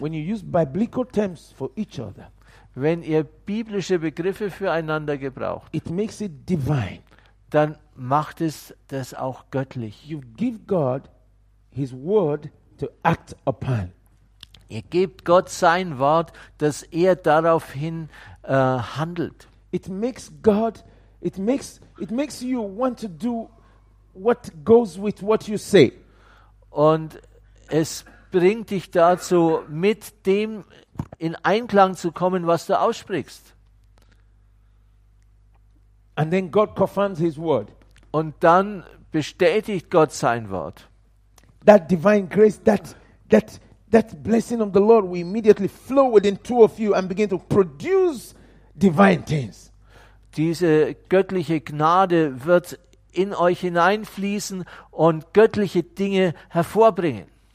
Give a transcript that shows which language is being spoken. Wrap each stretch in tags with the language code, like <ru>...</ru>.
<en>when you use biblical terms for each other,</en> <de>wenn ihr biblische Begriffe füreinander gebraucht,</de> <en>it makes it divine.</en> <de>Dann macht es das auch göttlich.</de> <en>You give God his word to act upon.</en> <de>Ihr gebt Gott sein Wort, dass er daraufhin handelt.</de> <en>It makes God It makes you want to do what goes with what you say.</en> <de>Und es bringt dich dazu, mit dem in Einklang zu kommen, was du aussprichst.</de> <en>And then God confirms his word.</en> <de>Und dann bestätigt Gott sein Wort.</de> <en>that divine grace, that blessing of the Lord will immediately flow within two of you and begin to produce divine things.</en> <de>Diese göttliche Gnade wird in euch hineinfließen und göttliche Dinge hervorbringen.</de>